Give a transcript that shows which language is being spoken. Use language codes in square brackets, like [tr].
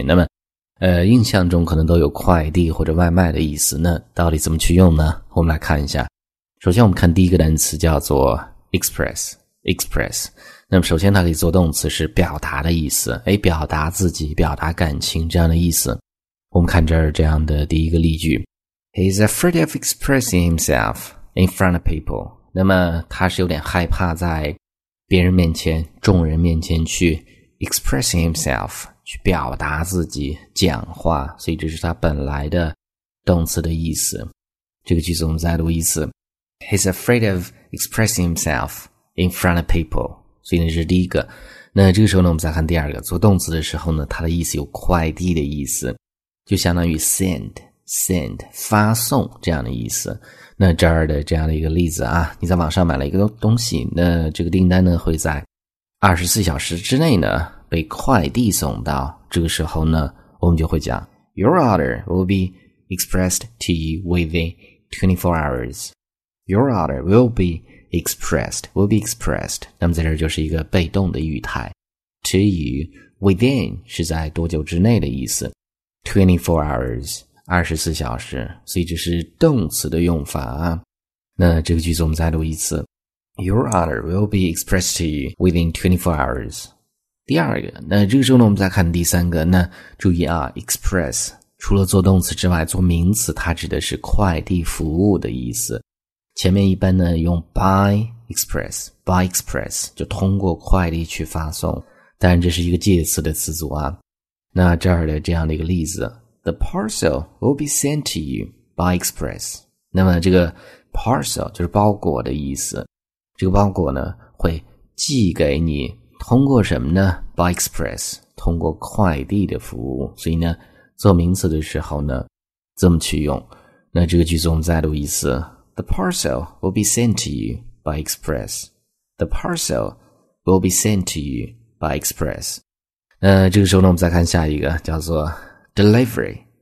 [zh] 那么印象中可能都有快递或者外卖的意思，那到底怎么去用呢？我们来看一下。首先我们看第一个单词叫做 express。那么首先它可以做动词，是表达的意思，表达自己，表达感情这样的意思。我们看这儿这样的第一个例句。 [en] He's afraid of expressing himself in front of people. [zh] 那么他是有点害怕在别人面前，众人面前去 [en] expressing himself, [zh] 去表达自己，讲话。所以这是他本来的动词的意思。这个句子我们再读一次。 [en] He's afraid of expressing himself in front of people. [zh] 所以这是第一个。那这个时候呢，我们再看第二个。做动词的时候呢，它的意思有快递的意思。就相当于 send 发送这样的意思。那这儿的这样的一个例子啊，你在网上买了一个东西，那这个订单呢会在24小时之内呢被快递送到，这个时候呢我们就会讲 [en] Your order will be expressed to you within 24 hours. Your order will be expressed. [zh] 那么在这儿就是一个被动的语态， [en] to you within [zh] 是在多久之内的意思，24 hours, 24小时，所以这是动词的用法。那这个句子我们再读一次。 [en] Your order will be expressed to you within 24 hours. [zh] 第二个，那这个时候呢，我们再看第三个。那注意啊， express, 除了做动词之外，做名词它指的是快递服务的意思。前面一般呢，用 [en] by express, [zh] 就通过快递去发送。当然这是一个介词的词组啊。那这儿的这样的一个例子， [en] The parcel will be sent to you by express. [zh] 那么这个 parcel 就是包裹的意思，这个包裹呢会寄给你，通过什么呢？ [en] By express, [zh] 通过快递的服务。所以呢做名词的时候呢这么去用。那这个句子我们再读一次。 [en] The parcel will be sent to you by express. The parcel will be sent to you by express. [zh] 这个时候呢我们再看下一个叫做 delivery。